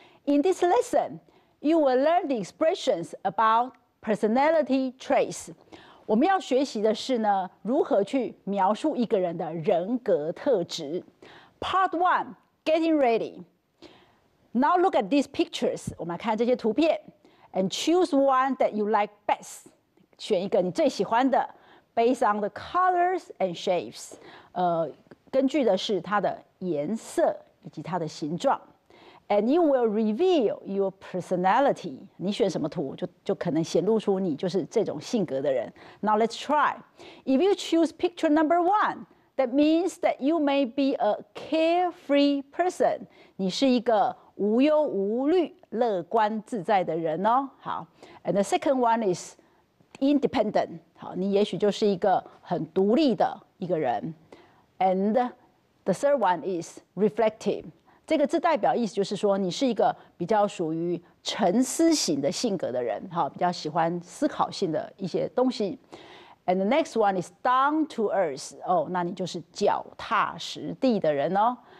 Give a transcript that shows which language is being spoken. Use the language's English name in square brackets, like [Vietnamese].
[English] In this lesson, you will learn the expressions about personality traits. [Chinese] 我们要学习的是呢，如何去描述一个人的人格特质。 [English] Part one, getting ready. Now look at these pictures. [Chinese] 我们来看这些图片 [English] ，and choose one that you like best. [Chinese] 选一个你最喜欢的 [English] ，based on the colors and shapes. [Chinese] 根据的是它的颜色以及它的形状。 [English] And you will reveal your personality. [Chinese] 你选什么图，就可能显露出你就是这种性格的人。 [English] Now let's try. If you choose picture number one, that means that you may be a carefree person. [Chinese] 你是一个无忧无虑、乐观自在的人哦。 [English] 好 ，And the second one is independent. [Chinese] 好，你也许就是一个很独立的一个人。 [English] And the third one is reflective. [Chinese] 这个字代表意思就是说，你是一个比较属于沉思型的性格的人，比较喜欢思考性的一些东西。 [English] And the next one is down to earth. [Chinese] 哦，那你就是脚踏实地的人哦。